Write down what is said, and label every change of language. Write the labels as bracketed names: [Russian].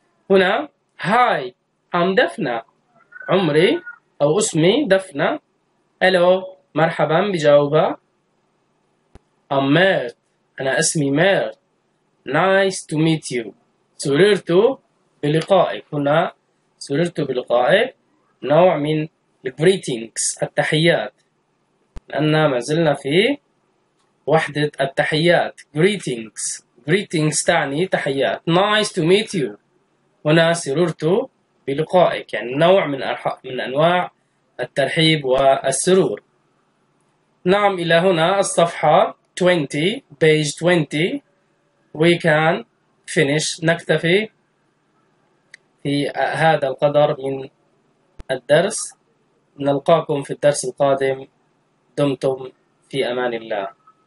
[Arabic] هنا [English] Hi, I'm Defna. [Arabic] عمري أو اسمي دفنة. [English] Hello, [Arabic] مرحبا بجاوبها. [English] I'm Mert. [Arabic] أنا اسمي مير. [English] Nice to meet you. [Arabic] سررت بلقائك. هنا سررت بلقائك نوع من greetings التحيات، لأننا ما زلنا في وحدة التحيات. [English] Greetings. Greetings [Arabic] تعني تحيات. [English] Nice to meet you. [Arabic] هنا سررت بلقائك، يعني نوع من أنواع الترحيب والسرور. نعم، إلى هنا الصفحة 20 [English] page 20 we can finish، [Arabic] نكتفي في هذا القدر من الدرس. نلقاكم في الدرس القادم. دمتم في أمان الله.